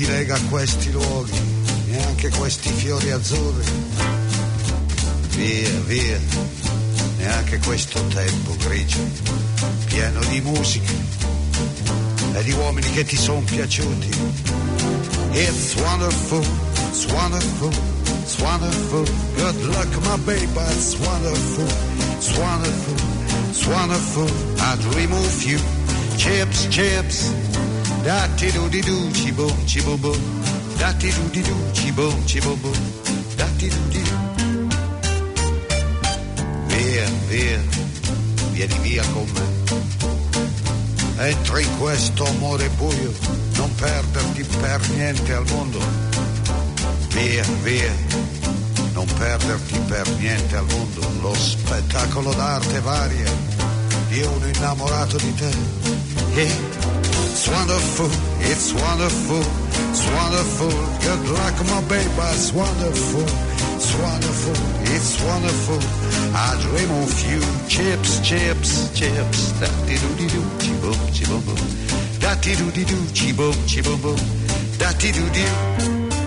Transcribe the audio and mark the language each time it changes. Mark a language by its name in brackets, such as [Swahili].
[Italian] a questi luoghi, neanche questi fiori azzurri, via, via, neanche questo tempo grigio, pieno di musica e di uomini che ti sono piaciuti. [English] It's wonderful, it's wonderful, it's wonderful, good luck my baby, it's wonderful, it's wonderful, it's wonderful, I dream of you, chips, chips. Dati do di do ci bo ci bo bo, dati do di do ci bo ci bo bo, dati do di do. [Italian] Via, via, vieni via con me. Entra in questo amore buio, non perderti per niente al mondo. Via, via, non perderti per niente al mondo. Lo spettacolo d'arte varia di uno innamorato di te. [English] It's wonderful, it's wonderful, it's wonderful, good luck my baby, it's wonderful, it's wonderful, it's wonderful, I dream of you, chips, chips, chips, da-di-do-di-do, chi-bum, chi-bum-bum, da-di-do-di-do, chi-bum, chi-bum-bum, da-di-do-di-do.